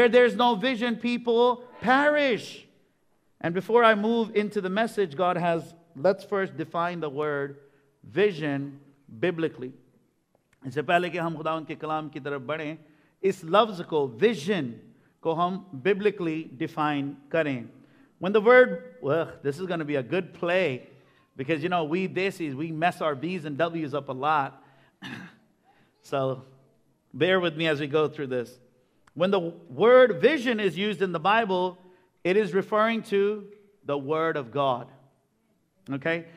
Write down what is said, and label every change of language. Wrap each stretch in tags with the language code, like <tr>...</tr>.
<en>Where there's no vision, people perish. And before I move into the message, let's first define the word vision biblically.</en> <hi>इससे पहले कि हम खुदा उनके कलाम की तरफ बढ़ें, इस लफ्ज को, विजन को हम</hi> <en>biblically define</en> <hi>करें.</hi> <en>When the word, this is going to be a good play. Because, you know, we mess our B's and W's up a lot. So, bear with me as we go through this. When the word vision is used in the Bible, it is referring to the Word of God. Okay?</en>